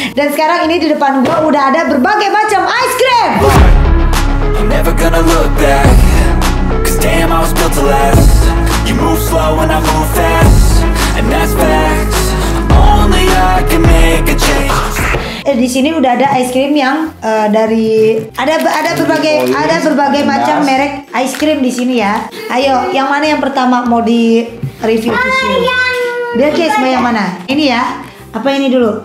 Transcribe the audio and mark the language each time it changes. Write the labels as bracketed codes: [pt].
[id] Dan sekarang ini di depan gua udah ada berbagai macam ice cream. [en] You're never gonna look back, 'cause damn I was built to last. You move slow and I move fast, and that's facts. Only I can make a change. [id] Di sini udah ada ice cream yang dari ada berbagai macam merek ice cream di sini ya. Ayo, yang mana yang pertama mau di review di sini? Biar kita semua yang mana? Ini ya. Apa ini dulu?